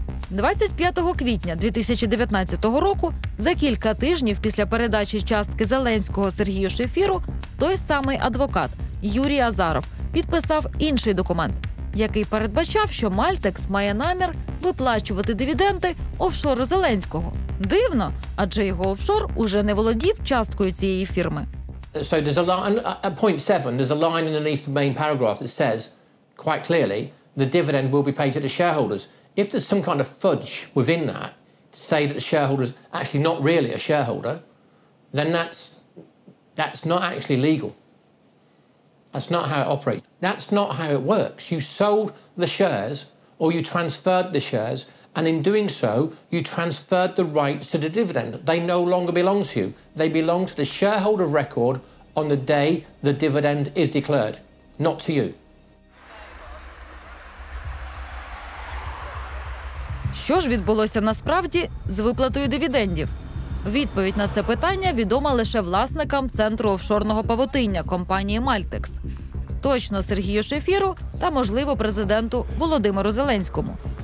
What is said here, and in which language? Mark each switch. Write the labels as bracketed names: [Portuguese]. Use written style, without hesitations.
[Ukrainian] 25 квітня 2019 року, за кілька тижнів після передачі частки Зеленського Сергію Шефіру, той самий адвокат Юрій Азаров підписав інший документ, який передбачав, що Мальтекс має намір виплачувати дивіденди офшору Зеленського. Дивно, адже його офшор уже не володів часткою цієї фірми. [English] So there's a line at point seven, there's a line underneath the main paragraph that says quite clearly the dividend will be paid to the shareholders. If there's some kind of fudge within that to say that the shareholder's actually not really a shareholder, then that's not actually legal. That's not how it operates. That's not how it works. You sold the shares or you transferred the shares, and in doing so, you transferred the rights to the dividend. They no longer belong to you. They belong to the shareholder record on the day the dividend is declared, not to you. [Ukrainian] Що ж відбулося насправді з виплатою дивідендів? Відповідь на це питання відома лише власникам центру офшорного павутиння компанії «Мальтекс». Точно Сергію Шефіру та, можливо, президенту Володимиру Зеленському.